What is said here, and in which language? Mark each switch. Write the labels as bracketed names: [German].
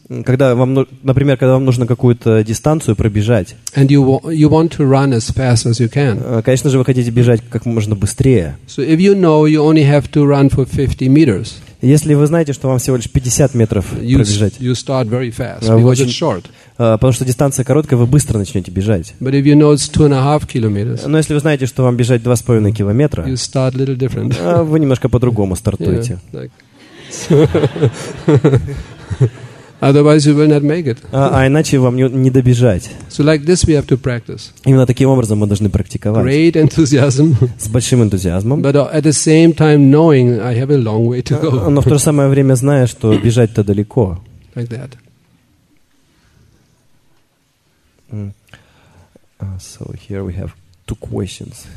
[Russian] Когда вам, например, когда вам нужно какую-то дистанцию пробежать. [English] And you want to run as fast as you can. [Russian] Конечно же, вы хотите бежать как можно быстрее. [English] So if you know you only have to run for 50 meters. [Russian] Если вы знаете, что вам всего лишь 50 метров пробежать. [English] You start very fast because it's short. [Russian] Потому что дистанция короткая, вы быстро начнете бежать. [English] But if you know it's 2.5 kilometers. [Russian] Но если вы знаете, что вам бежать 2.5 километра. [English] You start a little different. [Russian] Вы немножко по-другому стартуете. [English] Otherwise, you will not make it. [Russian] А иначе вам не добежать. [English] So like this, we have to practice. [Russian] Именно таким образом мы должны практиковать. [English] Great enthusiasm. [Russian] С большим энтузиазмом. [English] But at the same time, knowing I have a long way to go. [Russian] Но в то же самое время зная, что бежать-то далеко. [English] Like that. So here we have two questions.